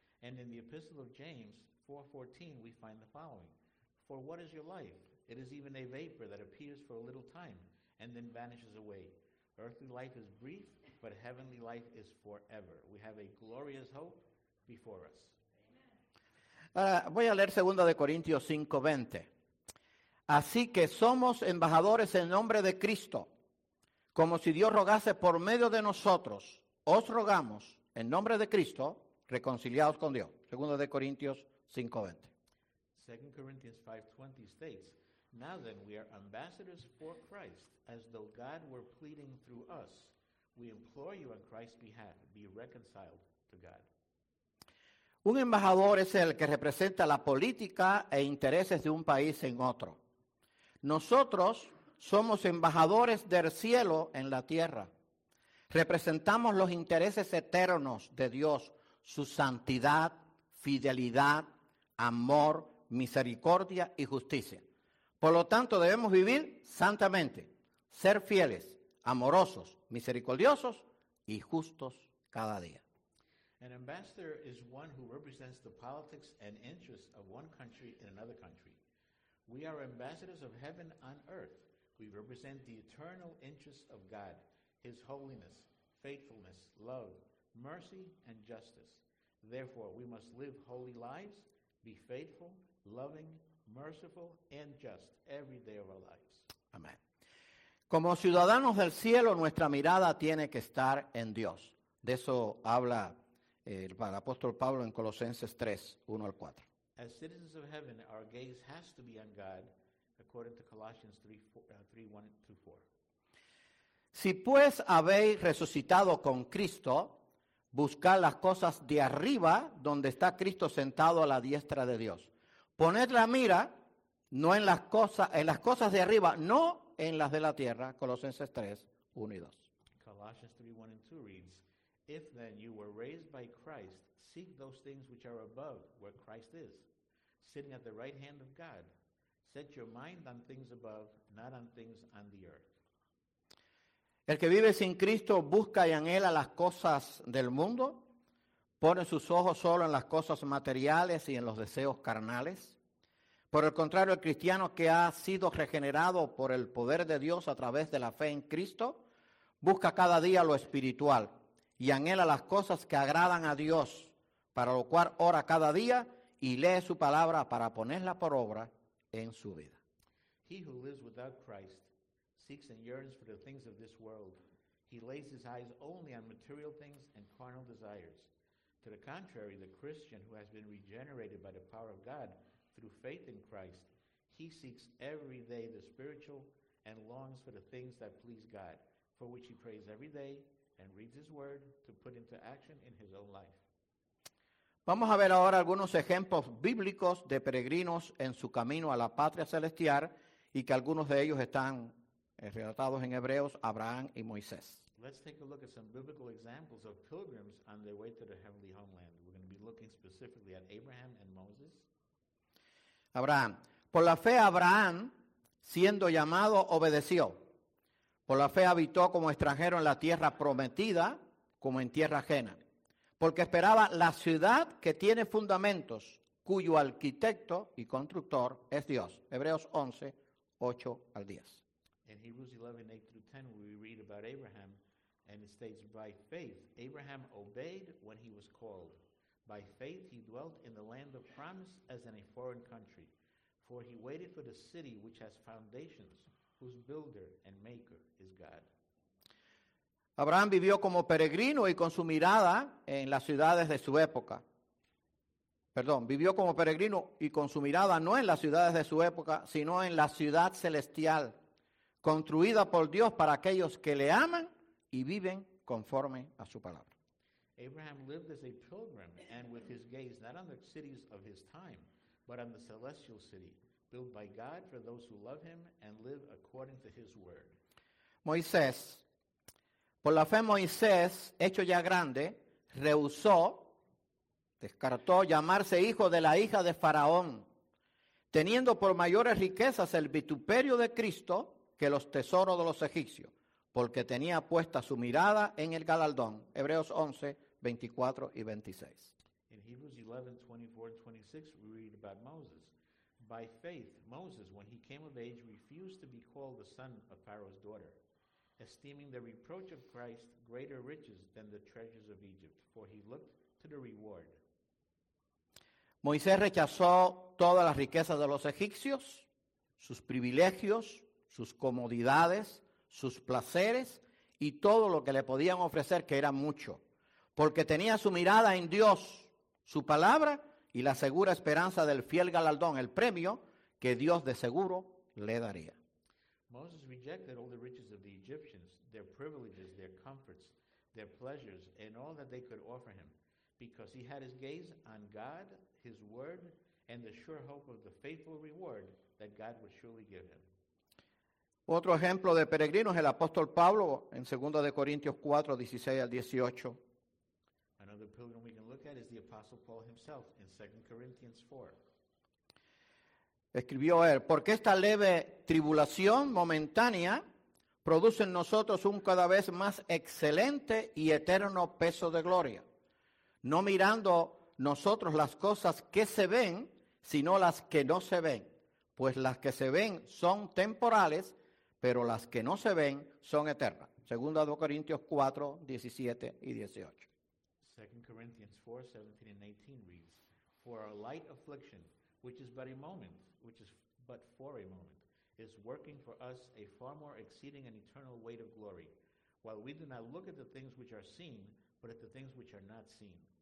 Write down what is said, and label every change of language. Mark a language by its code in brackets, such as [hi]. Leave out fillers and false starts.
[en] And in the epistle of James 4:14, we find the following. For what is your life? It is even a vapor that appears for a little time and then vanishes away. Earthly life is brief, but heavenly life is forever. We have a glorious hope before us. [es] Ahora voy a leer 2 Corintios 5:20. Así que somos embajadores en nombre de Cristo, como si Dios rogase por medio de nosotros. Os rogamos en nombre de Cristo, reconciliados con Dios. 2 Corintios 5:20. [en] 2 Corinthians 5:20 states, now then we are ambassadors for Christ, as though God were pleading through us. We implore you on Christ's behalf, be reconciled to God. [es] Un embajador es el que representa la política e intereses de un país en otro. Nosotros somos embajadores del cielo en la tierra. Representamos los intereses eternos de Dios, su santidad, fidelidad, amor, misericordia y justicia. Por lo tanto, debemos vivir santamente, ser fieles, amorosos, misericordiosos y justos cada día. [en] An ambassador is one who represents the politics and interests of one country in another country. We are ambassadors of heaven on earth. We represent the eternal interests of God, His holiness, faithfulness, love, mercy, and justice. Therefore, we must live holy lives, be faithful, loving, merciful, and just every day of our lives. Amen. [es] Como ciudadanos del cielo, nuestra mirada tiene que estar en Dios. De eso habla el apóstol Pablo en Colosenses 3:1-4. [en] As citizens of heaven, our gaze has to be on God, according to Colossians 3:1-4. [es] Si pues habéis resucitado con Cristo, buscad las cosas de arriba, donde está Cristo sentado a la diestra de Dios. Poned la mira no en las cosas, en las cosas de arriba, no en las de la tierra, Colosenses 3:1-2. [en] Colossians 3:1-2 reads, if then you were raised by Christ, seek those things which are above, where Christ is, sitting at the right hand of God. Set your mind on things above, not on things on the earth. [es] El que vive sin Cristo busca y anhela las cosas del mundo, pone sus ojos solo en las cosas materiales y en los deseos carnales. Por el contrario, el cristiano que ha sido regenerado por el poder de Dios a través de la fe en Cristo, busca cada día lo espiritual y anhela las cosas que agradan a Dios, para lo cual ora cada día y lee su palabra para ponerla por obra en su vida. [en] He who lives without Christ seeks and yearns for the things of this world. He lays his eyes only on material things and carnal desires. To the contrary, the Christian who has been regenerated by the power of God through faith in Christ, he seeks every day the spiritual and longs for the things that please God, for which he prays every day and reads his word to put into action in his own life. [es] Vamos a ver ahora algunos ejemplos bíblicos de peregrinos en su camino a la patria celestial y que algunos de ellos están relatados en Hebreos, Abraham y Moisés. [en] Let's take a look at some biblical examples of pilgrims on their way to the heavenly homeland. We're going to be looking specifically at Abraham and Moses. Abraham. [es] Por la fe Abraham, siendo llamado, obedeció. Por la fe habitó como extranjero en la tierra prometida, como en tierra ajena. Porque esperaba la ciudad que tiene fundamentos, cuyo arquitecto y constructor es Dios. Hebreos 11:8-10. [en] In Hebrews 11:8-10, we read about Abraham, and it states, by faith, Abraham obeyed when he was called. By faith, he dwelt in the land of promise as in a foreign country. For he waited for the city which has foundations, whose builder and maker is God. [es] Abraham vivió como peregrino y con su mirada en las ciudades de su época. Perdón, vivió como peregrino y con su mirada no en las ciudades de su época, sino en la ciudad celestial, construida por Dios para aquellos que le aman y viven conforme a su palabra. [en] Abraham lived as a pilgrim and with his gaze not on the cities of his time, but on the celestial city, built by God for those who love him and live according to his word. [es] Moisés. Por la fe Moisés, hecho ya grande, rehusó descartó llamarse hijo de la hija de Faraón, teniendo por mayores riquezas el vituperio de Cristo que los tesoros de los egipcios, porque tenía puesta su mirada en el galardón. Hebreos 11, 24 y 26. [en] In Hebrews 11, 24 and 26, we read about Moses. By faith, Moses, when he came of age, refused to be called the son of Pharaoh's daughter, esteeming the reproach of Christ greater riches than the treasures of Egypt, for he looked to the reward. [es] Moisés rechazó todas las riquezas de los egipcios, sus privilegios, sus comodidades, sus placeres y todo lo que le podían ofrecer, que era mucho, porque tenía su mirada en Dios, su palabra y la segura esperanza del fiel galardón, el premio que Dios de seguro le daría. [en] Moses rejected all the riches of the Egyptians, their privileges, their comforts, their pleasures, and all that they could offer him, because he had his gaze on God, his word, and the sure hope of the faithful reward that God would surely give him. [es] Otro ejemplo de peregrino es el apóstol Pablo en 2 de Corintios 4, 16 al 18. [en] Another pilgrim we can look at is the apostle Paul himself in 2 Corinthians 4. [es] Escribió él, porque esta leve tribulación momentánea produce en nosotros un cada vez más excelente y eterno peso de gloria, no mirando nosotros las cosas que se ven, sino las que no se ven, pues las que se ven son temporales, pero las que no se ven son eternas. 2 Corintios 4, 17 y 18. [en] 2 Corinthians 4, 17 and 18 reads, for our light affliction, which is but for a moment, is working for us a far more exceeding and eternal weight of glory, while we do not look at the things which are seen, but at the things which are not seen.